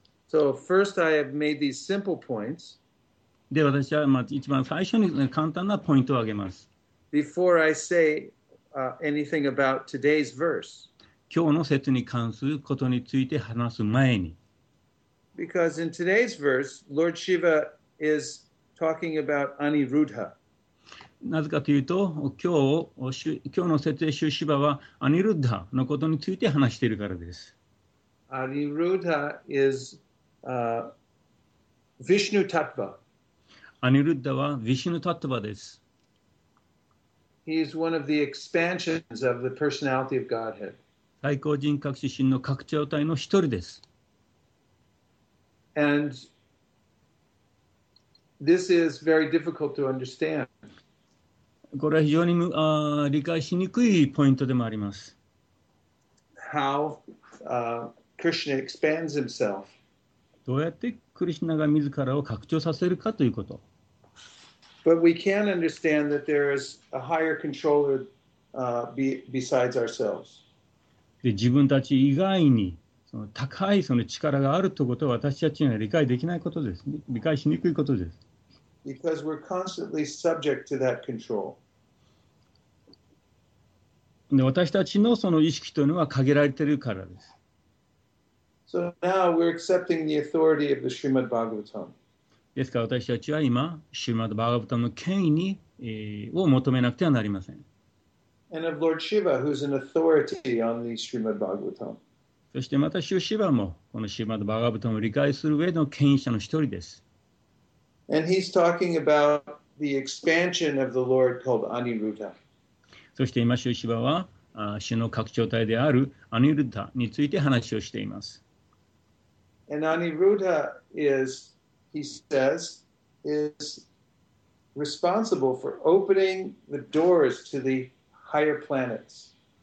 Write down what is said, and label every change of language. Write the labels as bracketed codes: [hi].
[en] So first I have made these simple points. [ja] で、私はまず一番最初に簡単なポイントを挙げます。 [en] Before I say anything about today's verse. [ja] 今日の説に関することについて話す前に。 [en] Because in today's verse, Lord Shiva is talking about Aniruddha. [ja] なぜかというと、今日の説でシュシバはアニルッダのことについて話しているからです。 [en] アニルッダ is... Vishnu Tattva. [ja] Aniruddha は Vishnu Tattva です。 [en] He is one of the expansions of the personality of Godhead. [ja] 最高人格自身の拡張体の一人です。 [en] And this is very difficult to understand. [ja] これは非常に理解しにくいポイントでもあります。 [en] How Krishna expands himself. [ja] どうやってクリシュナが自らを拡張させるかということ。 [en] But we can understand that there is a higher controller besides ourselves. [ja] で、自分たち以外にその高いその力があるということは私たちには理解できないことです。理解しにくいことです。 [en] Because we're constantly subject to that control. [ja] で、私たちのその意識というのは限られているからです。 [en] So now we're accepting the authority of the Srimad Bhagavatam. [ja] ですから私たちは今、Srimad Bhagavatam の権威に、を求めなくてはなりません。 [en] And of Lord Shiva, who's an authority on the Srimad Bhagavatam. [ja] そしてまた、シュシバもこの Srimad Bhagavatam を理解する上の権威者の一人です。 [en] And he's talking about the expansion of the Lord called Aniruddha. [ja] そして今、シュシバは、主の拡張体であるアニルッダについて話をしています。 [en] And Aniruddha is, he says, is responsible for opening the doors to the higher planets.